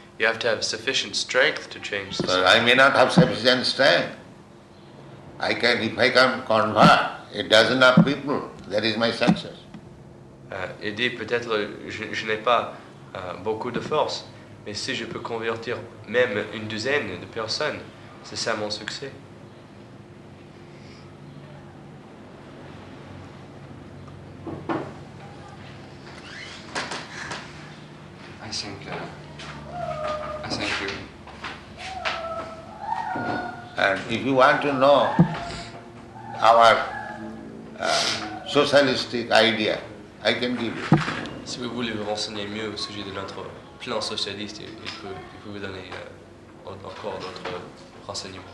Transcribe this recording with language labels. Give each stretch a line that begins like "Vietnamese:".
English: You have to have sufficient strength to change society. But I may not have sufficient strength. I can, if I can convert a dozen of people, that is my success.
French: Il dit peut-être je n'ai pas beaucoup de force, mais si je peux convertir même une douzaine de personnes, c'est ça mon succès.
English: I thank you. And if you want to know our socialistic idea, I can give you.
French: Si vous voulez vous renseigner mieux au sujet de notre plan socialiste, il peut vous donner encore d'autres renseignements.